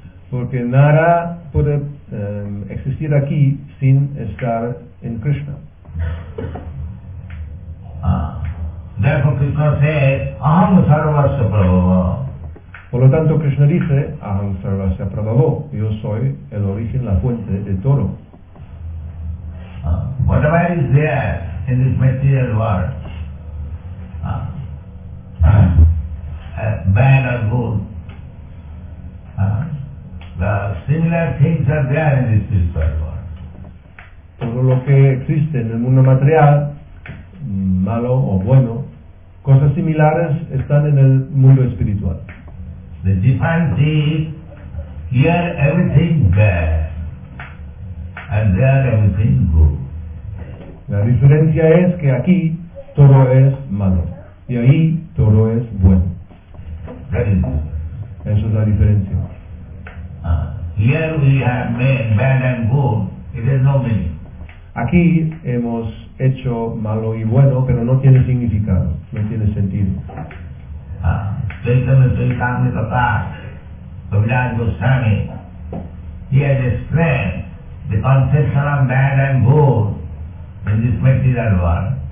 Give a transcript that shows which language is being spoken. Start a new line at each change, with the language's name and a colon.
Spanish: Porque nada puede existir aquí sin estar en Krishna.
English: Therefore Krishna says,
Sanskrit: Aham Sarvasya Prabhava.
Spanish: Por lo tanto Krishna dice,
Sanskrit: Aham Sarvasya Prabhava.
Spanish: Yo soy el origen, la fuente de todo.
English: Whatever is there in this material world, bad or good, the similar things are there in this spiritual world.
Spanish: Todo lo que existe en el mundo material, malo o bueno, cosas similares están en el mundo espiritual.
English: The difference is, here everything bad, and there everything good.
Spanish: La diferencia es que aquí todo es malo, y ahí todo es bueno.
English: That is good.
Spanish: Eso es la diferencia.
English: Here we have made bad and good. It has no meaning.
Spanish: Aquí hemos hecho malo y bueno, pero no tiene significado, no tiene sentido.
English: Chaitanya Chaitanya Kavirāja Goswāmī, he has explained the conception of bad and good in this material world.